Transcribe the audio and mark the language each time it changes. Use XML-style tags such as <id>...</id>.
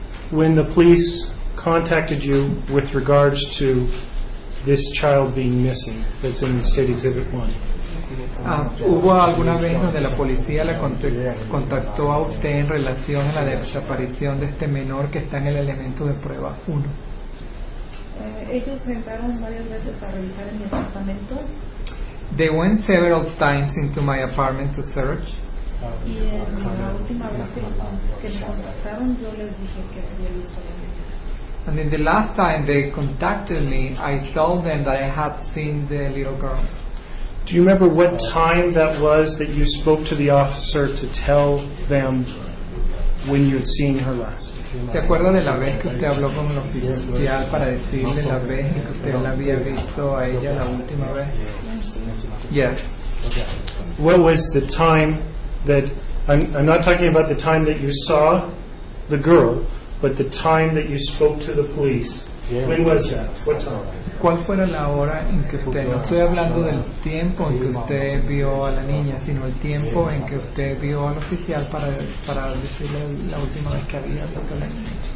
<en>when the police contacted you with regards to this child being missing that's in State Exhibit 1?</en> <es>¿Hubo alguna vez donde la policía la contactó a usted en relación a la desaparición de este menor que está en el elemento de prueba 1? Ellos entraron varias veces a revisar en mi apartamento.</es> <en>They went several times into my apartment to search.</en> <es>Y la última vez que me contactaron, yo les dije que había visto la niña.</es> <en>And in the last time they contacted me, I told them that I had seen the little girl. Do you remember what time that was that you spoke to the officer to tell them when you had seen her last?</en> <es>¿Se acuerda de la vez que usted habló con el oficial para decirle la vez en que usted la había visto a ella la última vez?</es> <en>Yes. What was the time that, I'm not talking about the time that you saw the girl, but the time that you spoke to the police, when was that? What time?</en> <es>¿Cuál fue la hora en que usted, no estoy hablando del tiempo en que usted vio a la niña, sino el tiempo en que usted vio al oficial para decirle la última vez que había visto a la niña?</es>